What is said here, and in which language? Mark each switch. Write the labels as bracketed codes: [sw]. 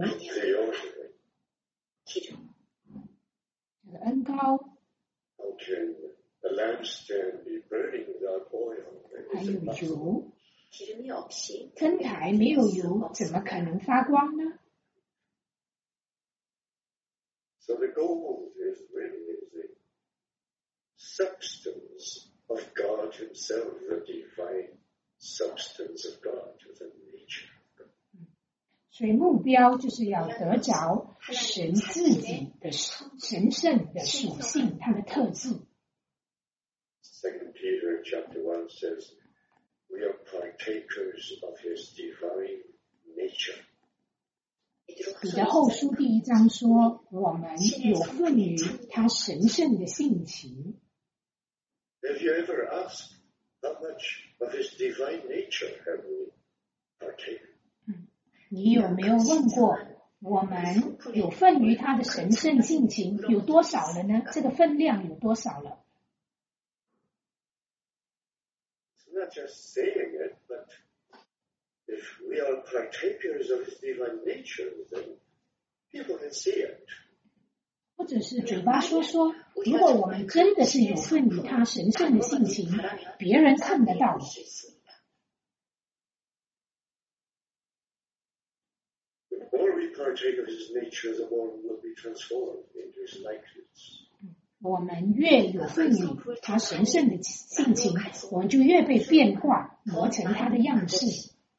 [en] The ointment. [zh] 恩膏。 [en] How can a lampstand be burning without oil? [zh] 还有油。灯台没有油怎么可能发光呢？ [en] So the gold is really the substance of God himself, the divine substance of God, the nature of God. [zh] 所以目标就是要得着神自己的神圣的属性，他的特质。 [en] 2 Peter chapter 1 says,We are partakers of his divine nature. [zh] 彼得后书第一章说，我们有份于他神圣的性情。 [en] Have you ever asked how much of his divine nature have we partaken? [zh] 你有没有问过，我们有份于他的神圣性情有多少了呢？这个分量有多少了？ [en] Not just saying it, but if we are partakers of his divine nature, then people can see it. [zh] 或者是嘴巴说说，如果我们真的是有份于他神圣的性情，别人看得到。 [en] The more we partake of his nature, the more we will be transformed into his likeness. [zh] 我们越有份于他神圣的性情，我们就越被变化磨成他的样式。